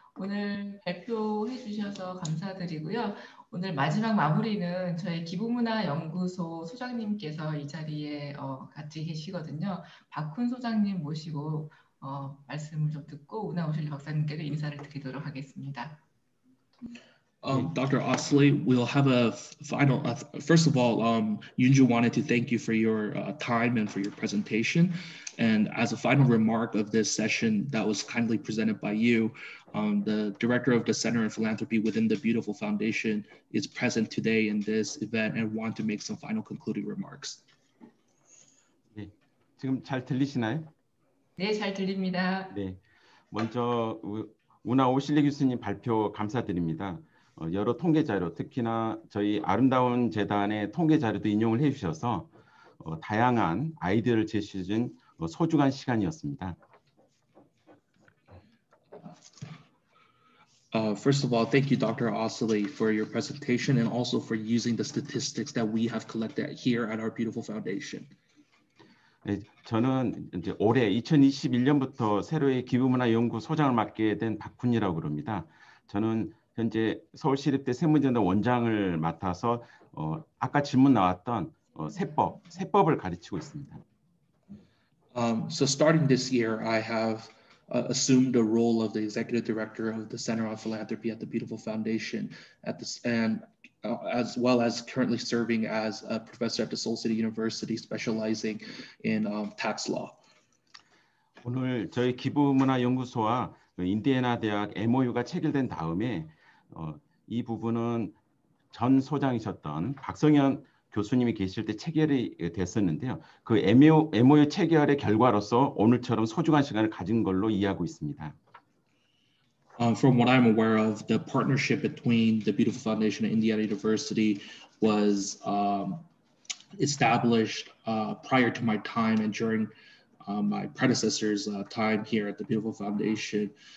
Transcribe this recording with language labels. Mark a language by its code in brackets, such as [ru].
[ko] 오늘 발표해 주셔서 감사드리고요. 오늘 마지막 마무리는 저희 기부문화연구소 소장님께서 이 자리에 같이 계시거든요. 박훈 소장님 모시고 말씀을 좀 듣고 우나오실리 박사님께도 인사를 드리도록 하겠습니다. [en] Dr. Osley, we'll have a final. First of all, Yunju wanted to thank you for your time and for your presentation. And as a final remark of this session that was kindly presented by you, the director of the Center of Philanthropy within the Beautiful Foundation is present today in this event and want to make some final concluding remarks. [ko] 네, 지금 잘 들리시나요? 네, 잘 들립니다. 네, 먼저 우나오실리 교수님 발표 감사드립니다. 여러 통계 자료, 특히나 저희 아름다운 재단의 통계 자료도 인용을 해주셔서 다양한 아이디어를 제시해 준 소중한 시간이었습니다. [en] First of all, thank you, Dr. Osley, for your presentation and also for using the statistics that we have collected here at our beautiful foundation. [ko] 네, 저는 이제 올해 2021년부터 새로의 기부문화연구소장을 맡게 된 박훈이라고 합니다. 저는 현재 서울시립대 세무전단 원장을 맡아서 아까 질문 나왔던 세법을 가르치고 있습니다. [en] So starting this year, I have assumed the role of the executive director of the Center on Philanthropy at the Beautiful Foundation, as well as currently serving as a professor at the Seoul City University specializing in tax law. [ko] 오늘 저희 기부문화연구소와 인디애나 대학 MOU가 체결된 다음에 이 부분은 전 소장이셨던 박성현 교수님이 계실 때 체결이 됐었는데요. 그 MOU 체결의 결과로서 오늘처럼 소중한 시간을 가진 걸로 이해하고 있습니다. [en] From what I'm aware of, the partnership between the Beautiful Foundation and Indiana University was established prior to my time and during my predecessor's time here at the Beautiful Foundation.